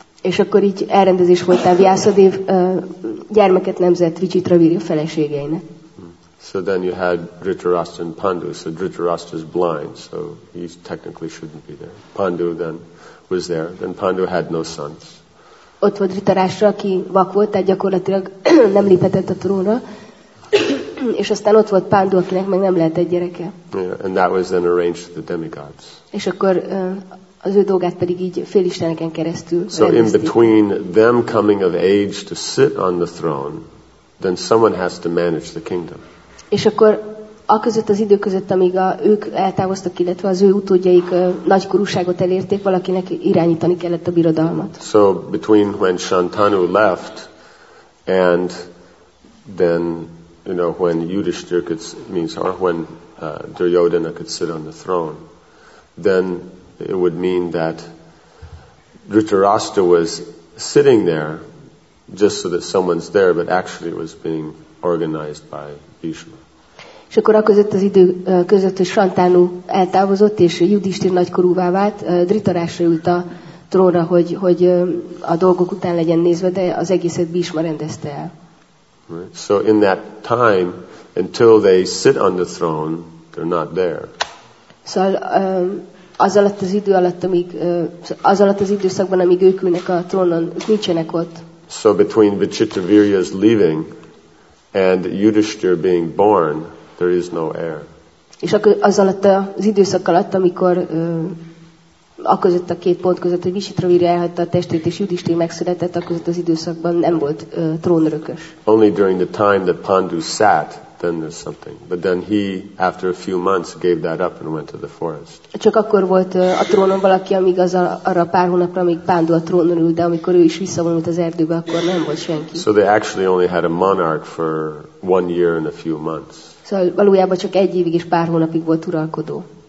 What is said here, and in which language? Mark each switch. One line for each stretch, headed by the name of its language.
Hungarian: És akkor így elrendezés volt a Vyasadev gyermeket nemzett Vichitravirya feleségeinek.
English: So then you had Dhritarashtra and Pandu. So Dhritarashtra is blind, so he technically shouldn't be there. Pandu then was there. Then Pandu had no sons.
Hungarian: Ott volt Dhritarashtra, aki vak volt, tehát gyakorlatilag nem léphetett a trónra. És aztán ott volt Pandu, akinek meg nem lehetett gyereke.
English: Yeah, and that was then arranged to the demigods.
Hungarian: És akkor az ő dolgát pedig így félisteneken keresztül rendezték.
English: So in between them coming of age to sit on the throne, then someone has to manage the kingdom.
Hungarian: És akkor a között az idő között, amíg ők eltávoztak, illetve az ő utódjaik nagykorúságot elérték, valakinek irányítani kellett a birodalmat.
English: So between when Shantanu left and then, you know, when Yudhishthir could, means, or when Duryodhana could sit on the throne, then it would mean that Dhritarashtra was sitting there just so that someone's there, but actually it was being organized by Bhishma.
Hungarian: És akkor a között az idő között, hogy Shantanu eltávozott, és Yudhishthir nagykorúvá vált, Dhritarashtra ült a trónra, hogy a dolgok után legyen nézve, de az egészet Bhishma rendezte el.
English: Right. So in that time, until they sit on the throne, they're not there.
Hungarian: Szóval az alatt az idő alatt, amíg az alatt az időszakban, amíg ők ülnek a trónon, nincsenek ott.
English: So between Vichitravirya's leaving and Yudhishthir being born, there is no heir.
Hungarian: És az alatt az időszak alatt, amikor a között a két pont között, hogy Vichitravirya elhagyta a testét és Yudhishthir megszületett, a között az időszakban nem volt trónörökös.
English: Only during the time that Pandu sat, then there's something. But then he, after a few months, gave that up and went to the forest.
Hungarian: Csak akkor volt a trónon valaki, amíg az arra pár hónapra, amíg Pandu a trónon ült, de amikor ő is visszavonult az erdőbe, akkor nem volt senki.
English: So they actually only had a monarch for 1 year and a few months.
Hungarian: Szóval valójában csak egy évig és pár hónapig volt uralkodó.